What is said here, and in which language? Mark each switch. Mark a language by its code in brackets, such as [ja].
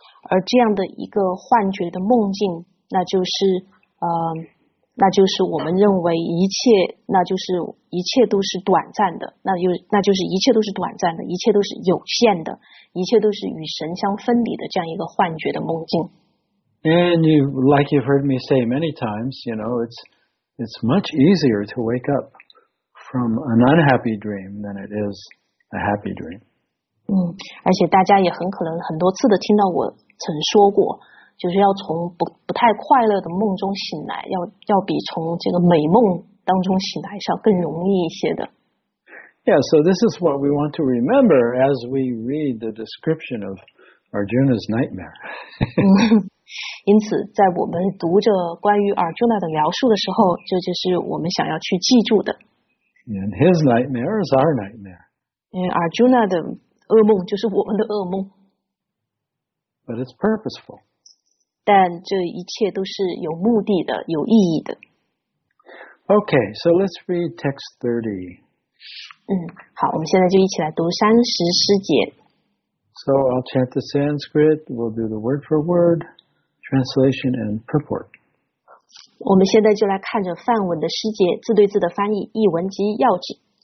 [zh] 而这样的一个幻觉的梦境，那就是那就是我们认为一切，那就是一切都是短暂的，那就是一切都是短暂的，一切都是有限的，一切都是与神相分离的这样一个幻觉的梦境。 [en] And you, like you've heard me say many times, you know, it's much easier to wake up from an unhappy dream than it is a happy dream. [zh] 而且大家也很可能很多次的听到我曾说过，就是要从 不太快乐的梦中醒来，要比从这个美梦当中醒来是要更容易一些的。 [en] Yeah, so this is what we want to remember as we read the description of Arjuna's nightmare. [zh] 因此在我们读着关于 Arjuna 的描述的时候，这就是我们想要去记住的。 [en] And his nightmare is our nightmare. [zh] Arjuna 的噩梦就是我们的噩梦。 [en] But it's purposeful. [zh] 但这一切都是有目的的，有意义的。 [en] Okay, so let's read text 30. [zh] 好，我们现在就一起来读三十诗节。 [en] So I'll chant the Sanskrit, we'll do the word for word, translation and purport. [zh] 我们现在就来看着梵文的诗节，字对字的翻译，译文及要旨。